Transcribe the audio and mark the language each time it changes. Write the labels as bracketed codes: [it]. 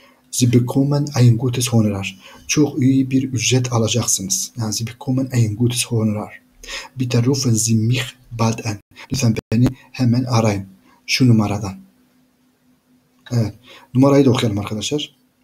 [de] Sie bekommen ein gutes Honorar. [tr] Çok iyi bir ücret alacaksınız. [de] Yani Sie bekommen ein gutes Honorar. Bitte rufen Sie mich bald an. [tr] Lütfen beni hemen arayın. Şu numaradan. Evet. Numarayı da okuyalım arkadaşlar.